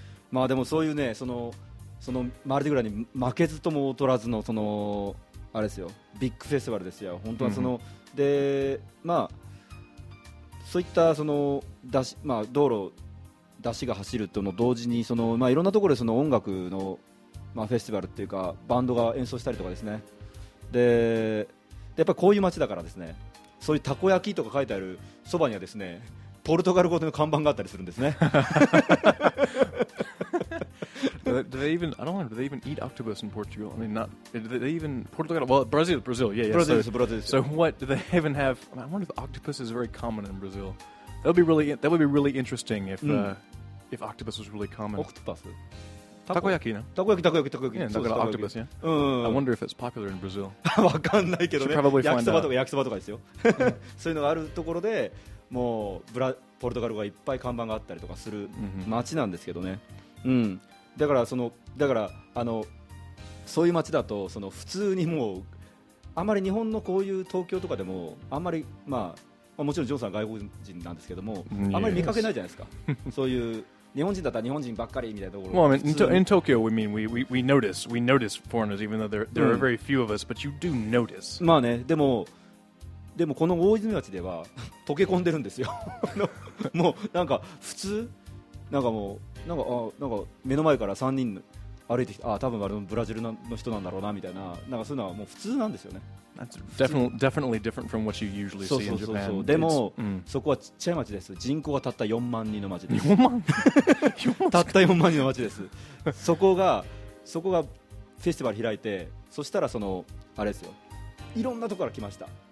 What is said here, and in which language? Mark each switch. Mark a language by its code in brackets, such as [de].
[ja] まあでもそういうね、そのマルディグラに負けずとも劣らずの、そのあれですよ、ビッグフェスティバルですよ、本当はその、で、まあ、そういったその出し、まあ、道路、出しが走るとの同時に、その、まあ、いろんなところでその音楽の、まあ、フェスティバルっていうか、バンドが演奏したりとかですね、でやっぱりこういう街だからですね、そういうたこ焼きとか書いてあるそばにはですね、ポルトガル語の看板があったりするんですね。 [en] Do they even eat octopus in Portugal? I mean, not they even Portugal. Well, Brazil, yeah, yeah. Brazil. So what do they even have? I mean, I wonder if octopus is very common in Brazil. That would be really interesting if octopus was really common. Octopus. Takoyaki, no? Takoyaki. Yeah, talking about octopus, yeah. I wonder if it's popular in Brazil. [ja] わかんないけどね。焼きそばとかですよ。そういうのがあるところで。もうポルトガル語がいっぱい看板があったりとかする街なんですけどね、だからあのそういう街だとその普通にもうあまり日本のこういう東京とかでもあんまり、まあ、まあもちろんジョンさんは外国人なんですけども、あまり見かけないじゃないですか。そういう日本人だったら日本人ばっかりみたいなところ。 [en] Well, I mean, in Tokyo, we mean we notice foreigners even though there are very few of us, but you do notice. [ja] まあね、でもこの大泉町では溶け込んでるんですよ。もうなんか普通なんかもうなんかあなんか目の前から3人歩いてきた、あ多分あれブラジルの人なんだろうなみたいな、なんかそういうのはもう普通なんですよね。 [en] Definitely different from what you usually see in Japan. [ja] そうでも、そこはちっちゃい町です。人口はたった4万人の町です。 4万たった4万人の町です。そこがフェスティバル開いて、そしたらそのあれですよ、いろんなところから来ました。